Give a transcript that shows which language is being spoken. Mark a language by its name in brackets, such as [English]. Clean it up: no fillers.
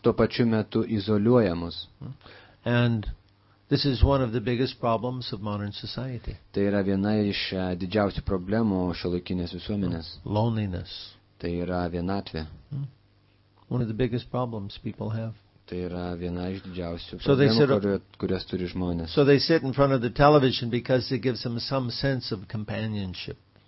[Lithuanian] Tuo pačiu metu izoliuoja mus. [English] And this is one of the biggest problems of modern society. [Lithuanian] Tai yra viena iš didžiausių problemų šiuolaikinės visuomenės. [English] Loneliness. [Lithuanian] Tai yra vienatvė. [English] One of the biggest problems people have. [Lithuanian] Tai yra viena iš didžiausių problemų, kurias turi žmonės. [English] So they sit in front of the television because it gives them some sense of companionship.